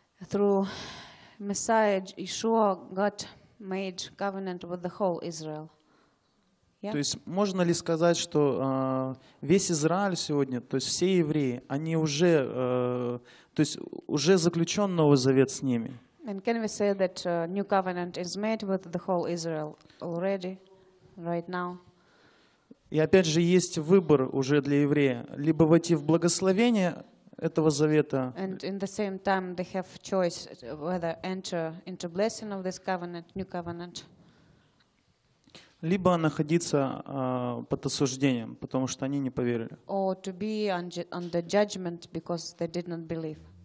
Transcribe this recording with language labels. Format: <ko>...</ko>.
<en>Through Messiah Yeshua, God made covenant with the whole Israel.</en> <ru>То есть можно ли сказать, что весь Израиль сегодня, то есть все евреи, они уже, то есть уже заключен новый завет с ними?</ru> <en>And can we say that new covenant is made with the whole Israel already, right now?</en> <ru>И опять же есть выбор уже для еврея: либо войти в благословение этого завета.</ru> <en>And in the same time, they have choice whether enter into blessing of this covenant, new covenant.</en> <ru>Либо находиться под осуждением, потому что они не поверили.</ru> <en>Or to be under judgment because they did not believe.</en>